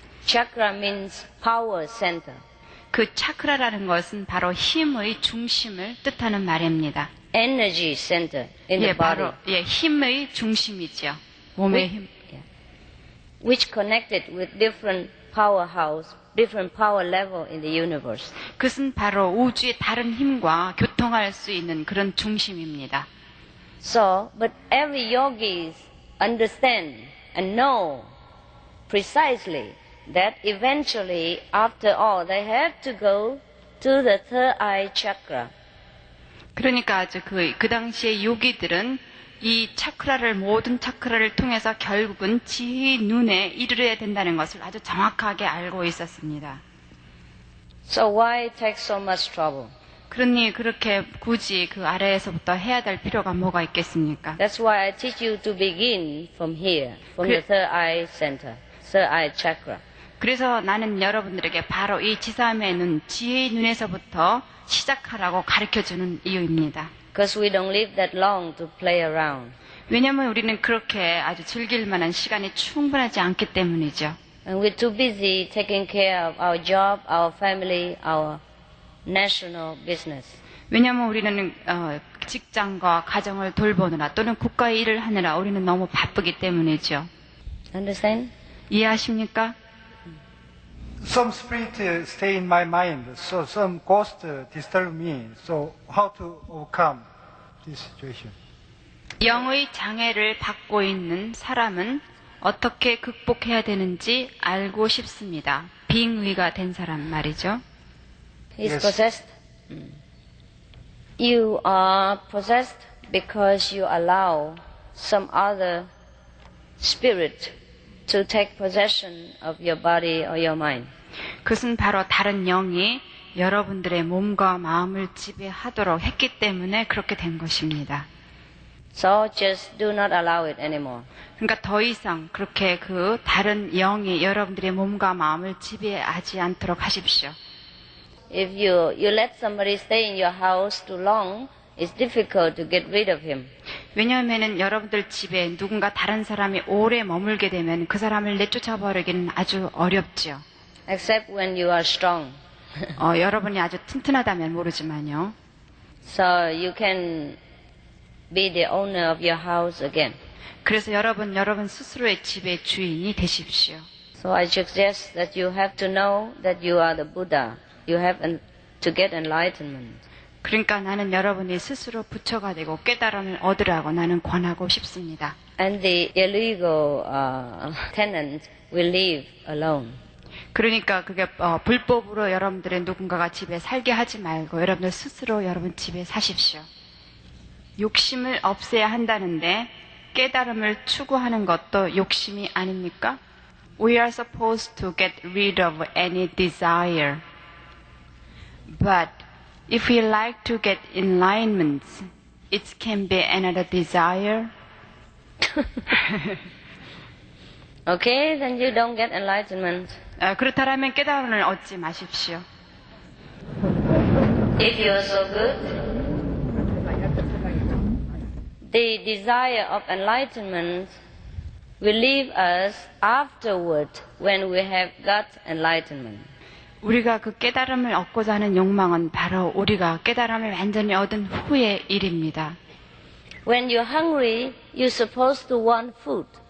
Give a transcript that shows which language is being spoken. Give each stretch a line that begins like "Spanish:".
English: Chakra means power center.
Korean: 그 차크라라는 것은 바로 힘의 중심을 뜻하는 말입니다.
English: Energy center in the body.
Korean: 예, 힘의 중심이죠. 몸의 힘.
English: Which connected with different powerhouse, different power level in the universe.
Korean: 그것은 바로 우주의 다른 힘과 교통할 수 있는 그런 중심입니다.
English: So, but every yogi understand and know precisely that eventually, after all, they have to go to the third eye chakra.
Korean: 그러니까 아주 그 당시의 요기들은 이 차크라를 모든 차크라를 통해서 결국은 지혜의 눈에 이르러야 된다는 것을 아주 정확하게 알고 있었습니다.
English: So why take so much trouble?
Korean: 그러니 그렇게 굳이 그 아래에서부터 해야 될 필요가 뭐가 있겠습니까?
English: That's why I teach you to begin from here, from the third eye center, third eye chakra.
Korean: 그래서 나는 여러분들에게 바로 이 지사함의 눈, 지혜의 눈에서부터 시작하라고 가르쳐주는 이유입니다.
English: Because we don't live that long to play around.
Korean: 왜냐하면 우리는 그렇게 아주 즐길 만한 시간이 충분하지 않기 때문이죠.
English: And we're too busy taking care of our job, our family, our national business.
Korean: 왜냐하면 우리는 직장과 가정을 돌보느라 또는 국가의 일을 하느라 우리는 너무 바쁘기 때문이죠.
English: Understand?
Korean: 이해하십니까?
English: Some spirit stay in my mind, so some ghost disturb me. So how to overcome this situation?
Korean: 영의 장애를 받고 있는 사람은 어떻게 극복해야 되는지 알고 싶습니다. 빙의가 된 사람 말이죠.
English: He's possessed. You are possessed because you allow some other spirit to take possession of your body or your mind.
Korean: 그것은 바로 다른 영이 여러분들의 몸과 마음을 지배하도록 했기 때문에 그렇게 된 것입니다.
English: So just do not allow it anymore.
Korean: 그러니까 더 이상 그렇게 그 다른 영이 여러분들의 몸과 마음을 지배하지 않도록 하십시오.
English: If you let somebody stay in your house too long, it's difficult to get rid of him.
Korean: 왜냐하면은 여러분들 집에 누군가 다른 사람이 오래 머물게 되면 그 사람을 내쫓아 버리기는 아주 어렵죠.
English: Except when you are strong.
Korean: 여러분이 아주 튼튼하다면 모르지만요.
English: So you can be the owner of your house again.
Korean: 그래서 여러분 스스로의 집의 주인이 되십시오.
English: So I suggest that you have to know that you are the Buddha. You have to get enlightenment.
Korean: 그러니까 나는 여러분이 스스로 부처가 되고 깨달음을 얻으라고 나는 권하고 싶습니다.
English: And the illegal tenant will leave alone.
Korean: 그러니까 그게 불법으로 여러분들의 누군가가 집에 살게 하지 말고 여러분들 스스로 여러분 집에 사십시오. 욕심을 없애야 한다는데 깨달음을 추구하는 것도 욕심이 아닙니까?
English: We are supposed to get rid of any desire. But if we like to get enlightenment, it can be another desire. Okay, then you don't get enlightenment.
Korean: 그렇다면 깨달음을 얻지 마십시오.
English: If you are so good, the desire of enlightenment will leave us afterward when we have got enlightenment.
Korean: 우리가 그 깨달음을 얻고자 하는 욕망은 바로 우리가 깨달음을 완전히 얻은 후의 일입니다.
English: When you're hungry, you're supposed to want food.